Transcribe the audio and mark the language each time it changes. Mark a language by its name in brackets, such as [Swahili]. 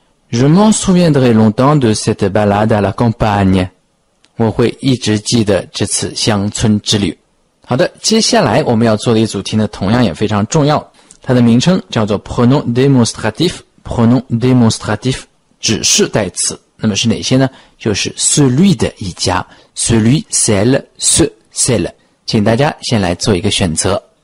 [French] Je m'en souviendrai longtemps de cette balade à la campagne. [Chinese] 我会一直记得这次乡村之旅。好的，接下来我们要做的一组题呢同样也非常重要，它的名称叫做 pronom démonstratif。 pronom démonstratif 指示代词，那么是哪些呢？就是 celui 的一家， celui, celle, ce, celle。请大家先来做一个选择。